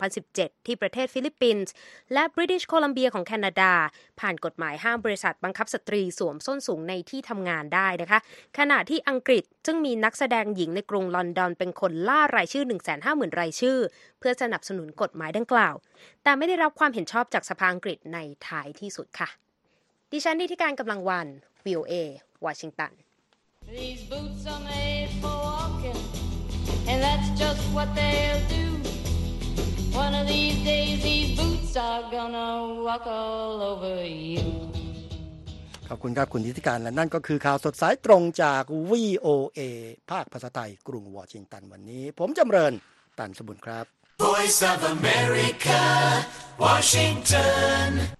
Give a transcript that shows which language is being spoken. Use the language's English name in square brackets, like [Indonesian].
[Thai] 2017ที่ประเทศฟิลิปปินส์และบริติชโคลัมเบียของแคนาดาผ่านกฎหมายห้ามบริษัทบังคับสตรีสวมส้นสูงในที่ทำงานได้นะคะขณะที่อังกฤษซึ่งมีนักแสดงหญิงในกรุงลอนดอนเป็นคนล่ารายชื่อ 150,000 รายชื่อเพื่อสนับสนุนกฎหมายดังกล่าวแต่ไม่ได้รับความเห็นชอบจากสภาอังกฤษในท้ายที่สุดค่ะดิฉันนิติการกำลังวันVOA Washington. [English] These boots are made for walking, and that's just what they'll do. One of these days, these boots are gonna walk all over you. [Thai] ขอบคุณครับคุณนิติการและนั่นก็คือข่าวสดสายตรงจาก VOA ภาคภาษาไทยกรุงวอชิงตันวันนี้ผมจำเริญตันสมบุญครับ Voice of America Washington